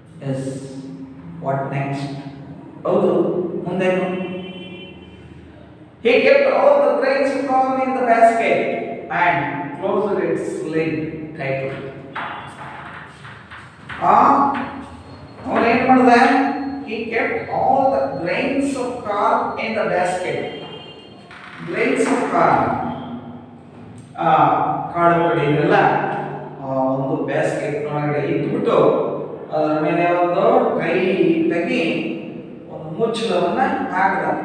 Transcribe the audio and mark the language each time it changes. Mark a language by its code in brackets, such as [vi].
[en] Yes, what next? [kn] ಹೌದು, ಮುಂದೇನು? [en] He kept all the grains corn in the basket and closed its lid tightly. [kn] ಅವನೇನು ಮಾಡ್ದ? [en] He kept all the grains of corn in the basket. Grains of corn. [kn] ಕಾಳು ಕಡಿಯಲ್ಲ ಒಂದು basket ಒಳಗಡೆ ಇದ್ಬಿಟ್ಟು ಅದರ ಮೇಲೆ ಒಂದು ಟೈಟಾಗಿ ಒಂದು ಮುಚ್ಚಳವನ್ನು ಹಾಕಿದ.